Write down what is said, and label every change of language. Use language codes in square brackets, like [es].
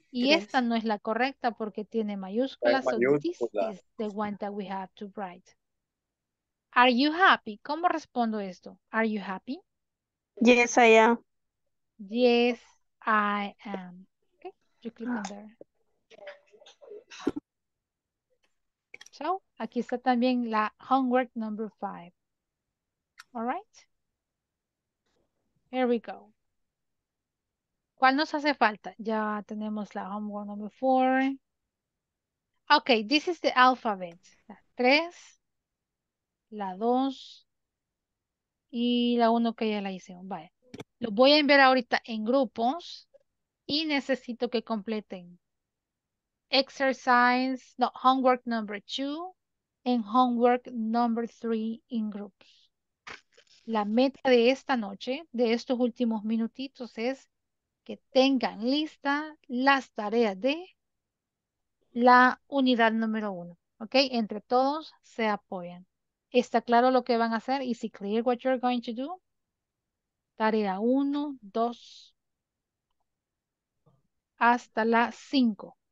[es] Y esta no es la correcta porque tiene mayúsculas. [en] So this is the one that we have to write. Are you happy? [es] ¿Cómo respondo esto? [en] Are you happy? Yes, I am. Yes, I am. Okay, you click on there. So, [es] aquí está también la [en] homework number 5. All right? Here we go. [es] ¿Cuál nos hace falta? Ya tenemos la [en] homework number 4. Okay, this is the alphabet. [es] La 3, la 2 y la 1 que ya la hice. Vale. Lo voy a enviar ahorita en grupos y necesito que completen. [en] Exercise, no, homework number 2 and homework number 3 in groups. [es] La meta de esta noche, de estos últimos minutitos, es que tengan lista las tareas de la unidad número 1. ¿Ok? Entre todos se apoyan. ¿Está claro lo que van a hacer? [en] ¿Is it clear what you're going to do? [es] Tarea 1, 2, hasta la 5.